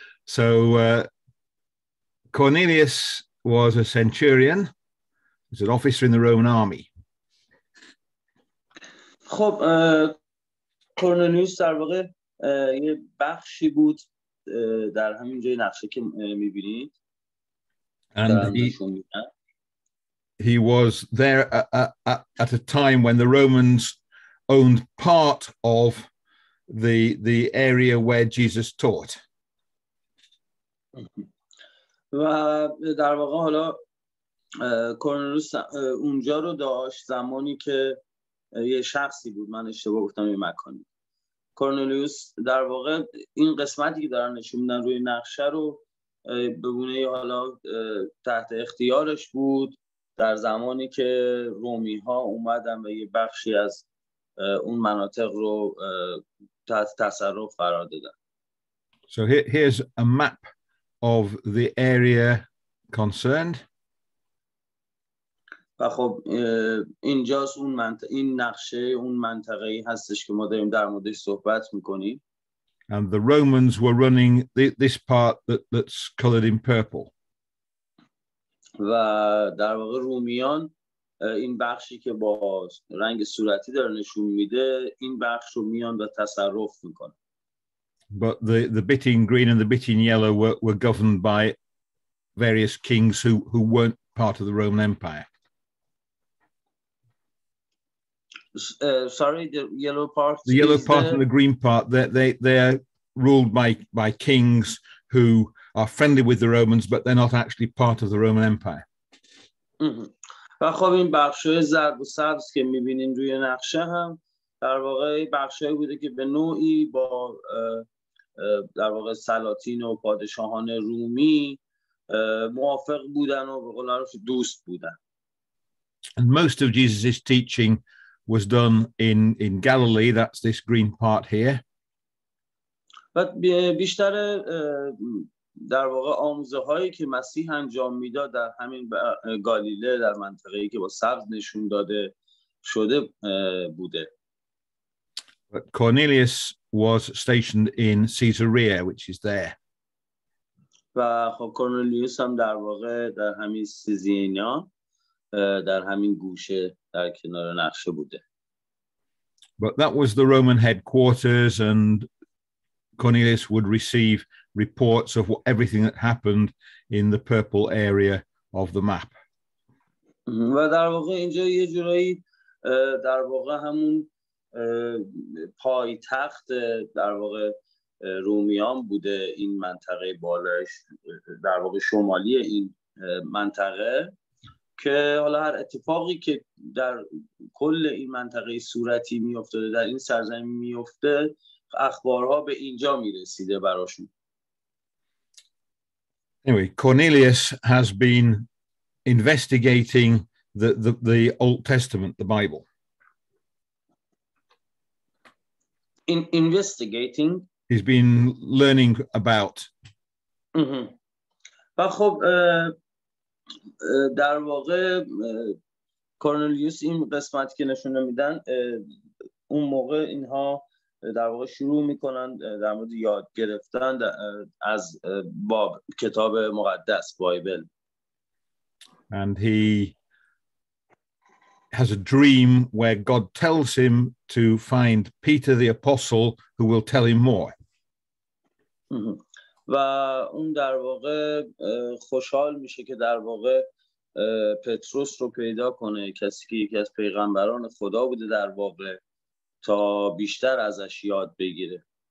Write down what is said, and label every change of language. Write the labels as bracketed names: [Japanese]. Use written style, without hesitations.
[English] So, Cornelius was a centurion. He's an officer in the Roman army. [Persian] خب کورنلیوس در واقع یه بخشی بود در همین جای نقشه که می‌بینید. [English] And he was there at a time when the Romans owned part of the area where Jesus taught. [Persian] و در واقع حالا کورنلیوس اونجا رو داشت زمانی که یه شخصی بود، من اشتباه گفتم این مکانی. کورنلیوس در واقع این قسمتی که دارن نشون میدن روی نقشه رو به گونه حالا تحت اختیارش بود در زمانی که رومی ها اومدن و یه بخشی از اون مناطق رو تحت تصرف قرار دادن. [English] So here's a map of the area concerned. [Persian] و خب اینجاست اون منطقه، این نقشه اون منطقه ای هستش که ما داریم در موردش صحبت میکنیم. [English] And the Romans were running this part that's colored in purple. [Persian] و در واقع رومیان این بخشی که با رنگ صورتی داره نشون میده این بخش رو میان و تصرف میکنه. [English] But the bit in green and the bit in yellow were governed by various kings who weren't part of the Roman Empire. Sorry, the yellow part. The yellow part and the green part, they are ruled by kings who are friendly with the Romans, but they're not actually part of the Roman Empire. [Persian] و خب این بخشای زرد و سبز که می‌بینین روی نقشه هم در واقع بخشایی بوده که به نوعی با در واقع سلاطین و پادشاهان رومی موافق بودن و به قول معروف دوست بودن. [English] And most of Jesus's teaching was done in Galilee, that's this green part here. [Persian] و بیشتر در واقع آموزه هایی که مسیح انجام میداد در همین گالیله در منطقه ای که با سبز نشون داده شده بوده. [English] But Cornelius was stationed in Caesarea, which is there. [Persian] و خب کورنلیوس هم در واقع در همین سیزینیا در همین گوشه در کنار نقشه بوده. [English] But that was the Roman headquarters, and Cornelius would receive reports of what, everything that happened in the purple area of the map. [Persian] و در واقع اینجا یه جورایی در واقع همون پایتخت در واقع رومیان بوده این منطقه بالاش در واقع شمالی این منطقه که حالا هر اتفاقی که در کل این منطقه صورتی میافتاده در این سرزمین میافته اخبارها به اینجا میرسیده براشون. [English] Anyway, Cornelius has been investigating the Old Testament, the Bible. In investigating, he's been learning about. [Persian] و خب در واقع کورنلیوس این قسمتی که نشون میدن اون موقع اینها در واقع شروع میکنن در مورد یاد گرفتن از باب کتاب مقدس بایبل. [English] And he has a dream where God tells him to find Peter the apostle who will tell him more. [Persian] و اون در واقع خوشحال میشه که در واقع پتروس رو پیدا کنه، کسی که یکی از پیغمبران خدا بوده در واقع، تا بیشتر ازش یاد بگیره.